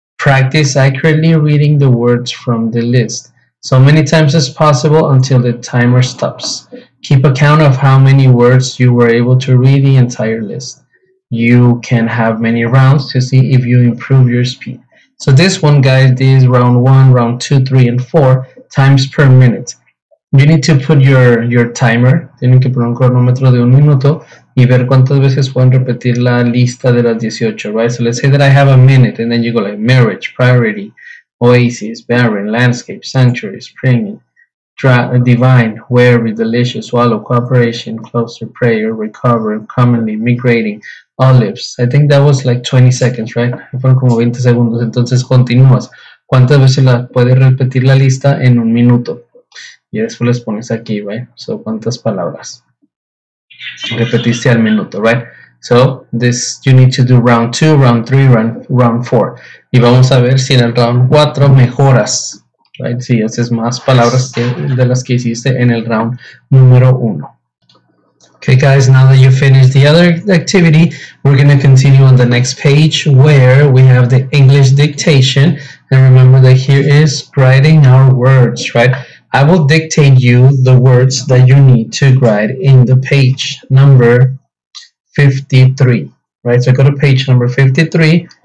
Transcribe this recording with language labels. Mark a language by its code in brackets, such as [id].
[en] Practice accurately reading the words from the list so many times as possible until the timer stops. Keep a count of how many words you were able to read the entire list. You can have many rounds to see if you improve your speed. So this one, guys, is round one, round two, three, and four times per minute. You need to put your timer. [es] Tienen que poner un cronómetro de un minuto y ver cuántas veces pueden repetir la lista de las 18, right? [en] So let's say that I have a minute, and then you go like marriage, priority, oasis, barren, landscape, sanctuary, spring, divine, wary, delicious, swallow, cooperation, closer, prayer, recover, commonly, migrating, olives. I think that was like 20 seconds, right? [es] Fueron como 20 segundos. Entonces continúas. ¿Cuántas veces la puedes repetir la lista en un minuto? Y después les pones aquí, right? So, ¿cuántas palabras repetiste al minuto, right? [en] So, this, you need to do round 2, round 3, round 4. [es] Y vamos a ver si en el round 4 mejoras. Right, sí, haces más palabras que de las que hiciste en el round número uno. [en] Okay, guys, now that you finished the other activity, we're going to continue on the next page where we have the English dictation. And remember that here is writing our words, right? I will dictate you the words that you need to write in the page number 53, right? So go to page number 53.